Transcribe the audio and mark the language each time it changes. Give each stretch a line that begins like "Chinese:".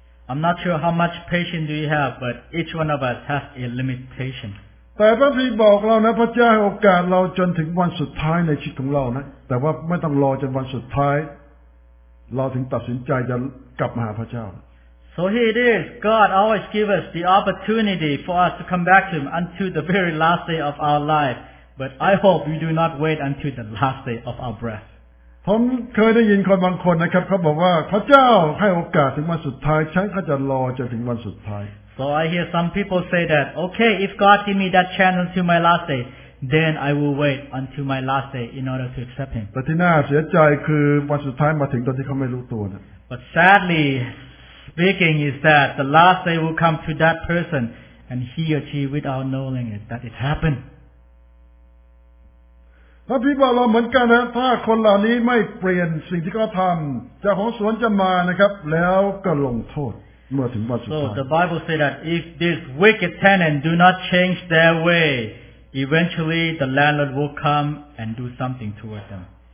English: I'm not sure how much patience do you have, but each one of us has a limitation.
Thai: แต่พระพี่บอกเรานะพระเจ้าให้โอกาสเราจนถึงวันสุดท้ายในชีวิตของเรานะแต่ว่าไม่ต้องรอจนวันสุดท้ายเราถึงตัดสินใจจะกลับมาหาพระเจ้า
English: So here it is God always give us the opportunity for us to come back to him until the very last day of our life but I hope we do not wait until the last day of our breath
Thai: ผมเคยได้ยินคนบางคนนะครับเขาบอกว่าพระเจ้าให้โอกาสถึงวันสุดท้ายฉันก็จะรอจนถึงวันสุดท้าย
English: So I hear some people say that, okay, if God give me that chance until my last day, then I will wait until my last day in order to accept Him. But
Thai: ที่น่าเสียใจคือวันสุดท้ายมาถึงตอนที่เขาไม่รู้ตัวนะ
English: But sadly speaking is that the last day will come to that person, and he or she without knowing it, that it happened.
Thai: พระพิบาลเหมือนกันนะถ้าคนเหล่านี้ไม่เปลี่ยนสิ่งที่เขาทำเจ้าของสวนจะมานะครับแล้วก็ลงโทษ
English: So the Bible says that if this wicked tenant do not change their way, eventually the landlord will come and do something towards them.